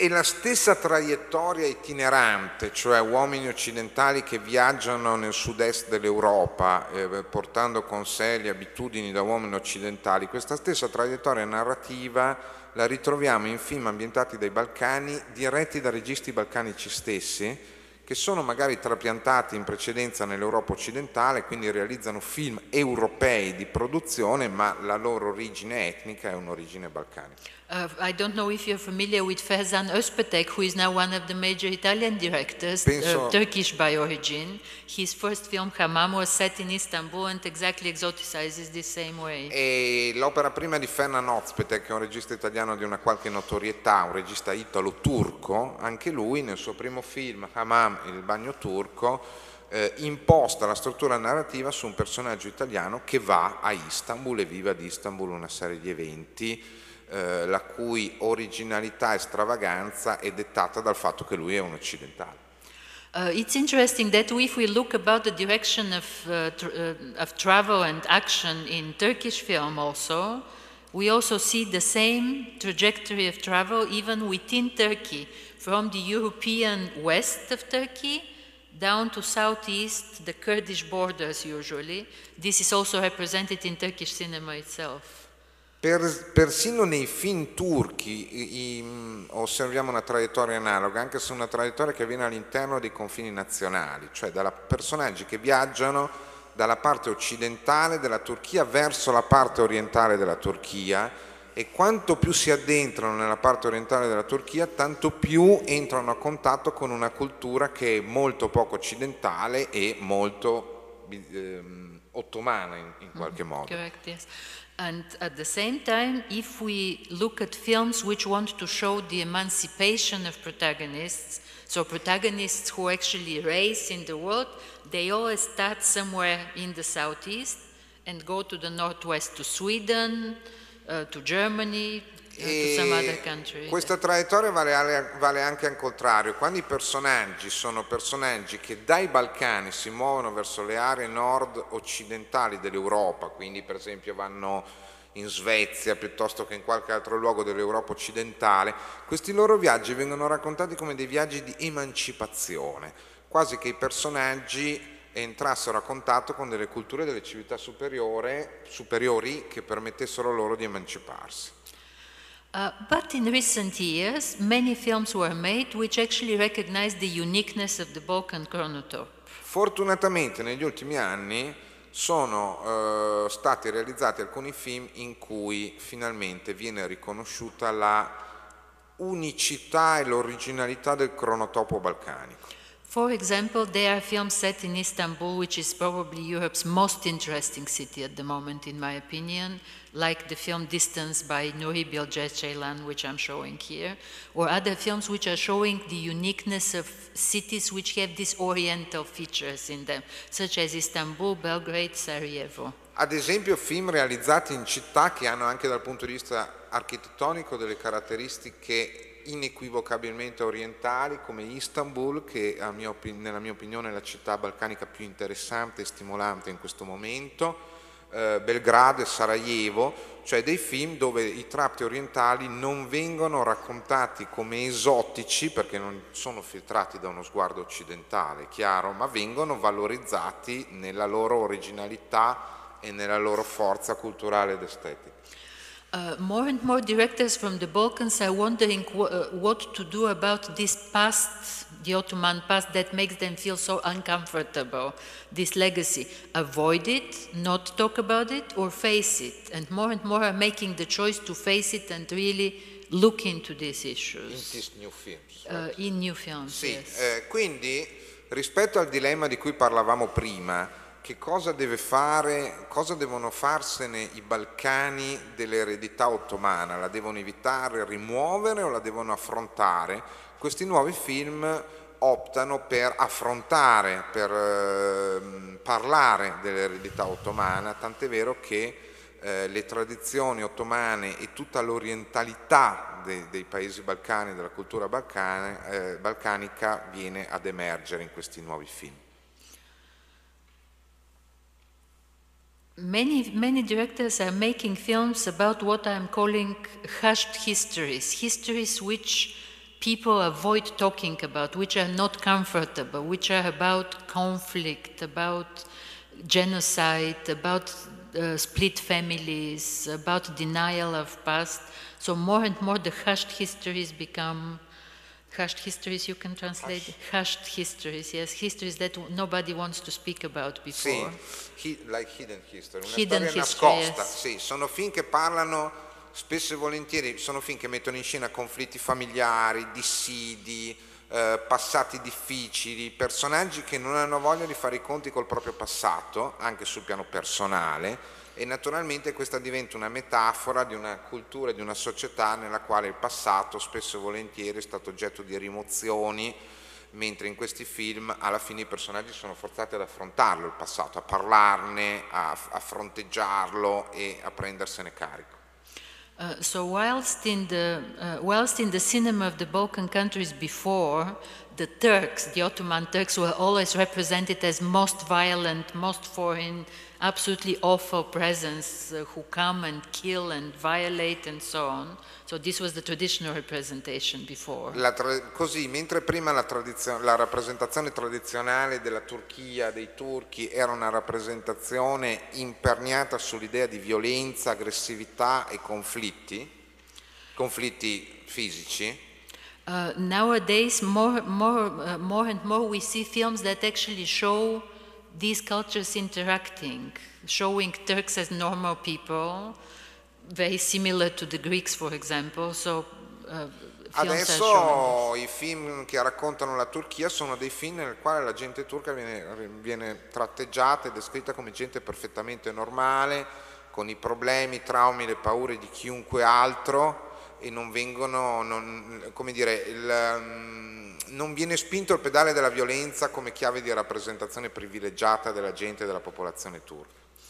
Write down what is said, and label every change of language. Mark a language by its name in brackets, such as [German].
[Italian] E la stessa traiettoria itinerante, cioè uomini occidentali che viaggiano nel sud-est dell'Europa portando con sé le abitudini da uomini occidentali, questa stessa traiettoria narrativa la ritroviamo in film ambientati dai Balcani, diretti da registi balcanici stessi, che sono magari trapiantati in precedenza nell'Europa occidentale, quindi realizzano film europei di produzione, ma la loro origine etnica è un'origine balcanica. [English] I don't know if you're familiar with Ferzan Özpetek, who is now one of the major Italian directors, Turkish by origin. His first film, Hammam, was set in Istanbul and exactly exoticizes the same way. [Italian] E l'opera prima di Ferzan Özpetek, un regista italiano di una qualche notorietà, un regista italo-turco, anche lui nel suo primo film, Hammam, il bagno turco, imposta la struttura narrativa su un personaggio italiano che va a Istanbul e vive ad Istanbul una serie di eventi, la cui originalità e stravaganza è dettata dal fatto che lui è un occidentale. [English] It's interesting that if we look about the direction of travel and action in Turkish film also, we also see the same trajectory of travel even within Turkey, from the European west of Turkey down to southeast, the Kurdish borders usually. This is also represented in Turkish cinema itself. [Italian] Persino nei film turchi osserviamo una traiettoria analoga, anche se una traiettoria che avviene all'interno dei confini nazionali, cioè da personaggi che viaggiano dalla parte occidentale della Turchia verso la parte orientale della Turchia, e quanto più si addentrano nella parte orientale della Turchia, tanto più entrano a contatto con una cultura che è molto poco occidentale e molto ottomana in qualche modo. [English] Correct, yes. And at the same time, if we look at films which want to show the emancipation of protagonists, so protagonists who actually race in the world, they always start somewhere in the southeast and go to the northwest, to Sweden, to Germany, e to some other country. [Italian] Questa traiettoria vale anche al contrario, quando i personaggi sono personaggi che dai Balcani si muovono verso le aree nord-occidentali dell'Europa, quindi per esempio vanno in Svezia piuttosto che in qualche altro luogo dell'Europa occidentale, questi loro viaggi vengono raccontati come dei viaggi di emancipazione, quasi che i personaggi entrassero a contatto con delle culture, delle civiltà superiori che permettessero loro di emanciparsi. [English] But in recent years many films were made which actually recognized the uniqueness of the Balkan chronotope. [Italian] Fortunatamente negli ultimi anni sono stati realizzati alcuni film in cui finalmente viene riconosciuta la unicità e l'originalità del cronotopo balcanico. [English] For example, there are films set in Istanbul, which is probably Europe's most interesting city at the moment, in my opinion, like the film Distance by Nuri Bilge Ceylan, which I'm showing here, or other films which are showing the uniqueness of cities which have these oriental features in them, such as Istanbul, Belgrade, Sarajevo. [Italian] Ad esempio, film realizzati in città che hanno anche dal punto di vista architettonico delle caratteristiche inequivocabilmente orientali, come Istanbul, che nella mia opinione è la città balcanica più interessante e stimolante in questo momento, Belgrado e Sarajevo, cioè dei film dove i tratti orientali non vengono raccontati come esotici, perché non sono filtrati da uno sguardo occidentale, chiaro, ma vengono valorizzati nella loro originalità e nella loro forza culturale ed estetica. [English] More and more directors from the Balkans are wondering what to do about this past, the Ottoman past, that makes them feel so uncomfortable, this legacy. Avoid it, not talk about it, or face it? And more are making the choice to face it and really look into these issues. In these new films. Right? In new films, [Italian] sì. [English] Yes. [Italian] Quindi, rispetto al dilemma di cui parlavamo prima, che cosa deve fare, cosa devono farsene i Balcani dell'eredità ottomana? La devono evitare, rimuovere o la devono affrontare? Questi nuovi film optano per affrontare, per parlare dell'eredità ottomana, tant'è vero che le tradizioni ottomane e tutta l'orientalità dei paesi balcani, della cultura balcanica viene ad emergere in questi nuovi film. [English] Many directors are making films about what I'm calling hushed histories, histories which people avoid talking about, which are not comfortable, which are about conflict, about genocide, about split families, about denial of past. So more and more the hushed histories become hushed histories, you can translate hushed histories, yes, histories that nobody wants to speak about before. Sì, like hidden history, [Italian] una [English] hidden [Italian] storia [English] history, [Italian] nascosta. [English] Yes. [Italian] Sì, sono film che parlano spesso e volentieri, sono film che mettono in scena conflitti familiari, dissidi, passati difficili, personaggi che non hanno voglia di fare i conti col proprio passato, anche sul piano personale, e naturalmente questa diventa una metafora di una cultura, di una società nella quale il passato spesso e volentieri è stato oggetto di rimozioni, mentre in questi film alla fine i personaggi sono forzati ad affrontarlo il passato, a parlarne, a fronteggiarlo e a prendersene carico. [English] So whilst in the cinema of the Balkan countries before, the Turks, the Ottoman Turks, were always represented as most violent, most foreign, absolutely awful presence, who come and kill and violate and so on. So this was the traditional representation before. [Italian] Così, mentre prima la rappresentazione tradizionale della Turchia, dei turchi, era una rappresentazione imperniata sull'idea di violenza, aggressività e conflitti fisici. [English] Nowadays, more and more we see films that actually show these cultures interacting, showing Turks as normal people, very similar to the Greeks, for example. So, [Italian] adesso i film che raccontano la Turchia sono dei film nel quale la gente turca viene tratteggiata e descritta come gente perfettamente normale, con i problemi, i traumi, le paure di chiunque altro, e non viene spinto il pedale della violenza come chiave di rappresentazione privilegiata della gente e della popolazione turca.